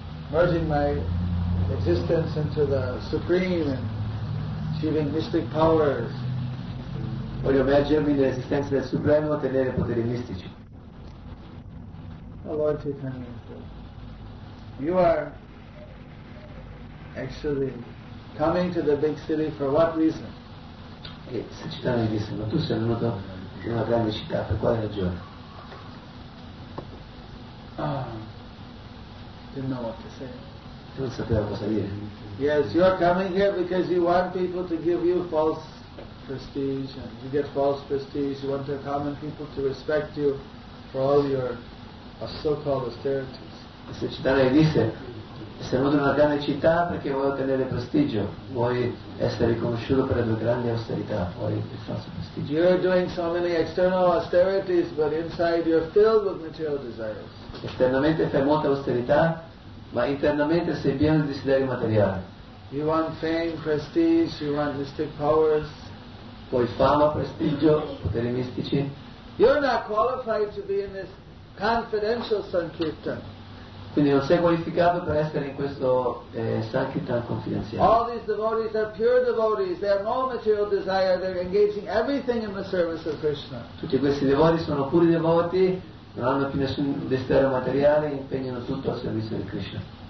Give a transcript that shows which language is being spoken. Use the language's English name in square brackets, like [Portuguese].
[English] Merging my existence into the supreme and achieving mystic powers. [Italian] Voglio mergermi nell'esistenza del supremo e ottenere poteri mistici. [English] Oh Lord Chaitanya, you are actually coming to the big city for what reason? [Italian] E se Chaitanya disse, ma tu sei venuto in una grande città, per quale ragione? [English] Didn't know what to say. [Italian] Non sapeva cosa dire. [English] Yes, you are coming here because you want people to give you false prestige and you get false prestige. You want the common people to respect you for all your so-called austerities. [Italian] Se Chaitanya disse, sei venuto in una grande città perché vuoi ottenere prestigio, vuoi essere riconosciuto per le tue grandi austerità, vuoi il falso prestigio. [English] You are doing so many external austerities, but inside you are filled with material desires. [Italian] Esternamente fai molta austerità, ma internamente sei pieno di desideri materiali. [English] You want fame, prestige, you want mystic powers. [Italian] Vuoi fama, prestigio, poteri mistici. [English] You're not qualified to be in this confidential sankirtan. [Italian] Quindi non sei qualificato per essere in questo sankirtan confidenziale. [English] All these devotees are pure devotees. They have no material desire. They're engaging everything in the service of Krishna. [Italian] Tutti questi devoti sono puri devoti, non hanno più nessun desiderio materiale, impegnano tutto al servizio di Krishna.